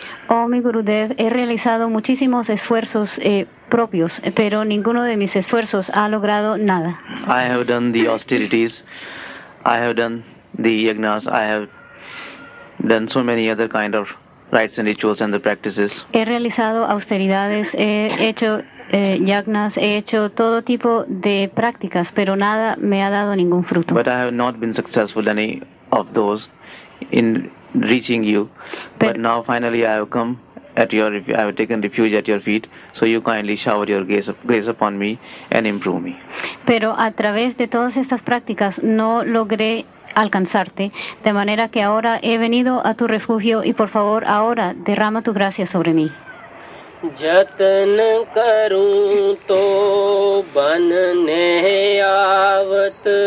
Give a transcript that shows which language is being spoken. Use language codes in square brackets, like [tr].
[es] Oh, mi Gurudev, he realizado muchísimos esfuerzos propios, pero ninguno de mis esfuerzos ha logrado nada. [en] I have done the austerities, I have done the yagnas, I have done so many other kind of rites and rituals and the practices. [es] He realizado austeridades, he hecho yagnas, he hecho todo tipo de prácticas, pero nada me ha dado ningún fruto. [en] But I have not been successful any of those in reaching you. But now finally I have come at your, I have taken refuge at your feet, so you kindly shower your grace upon me and improve me. [es] Pero a través de todas estas prácticas no logré alcanzarte, de manera que ahora he venido a tu refugio y por favor ahora derrama tu gracia sobre mí. [hi] जतन करूं तो बन नहीं आवत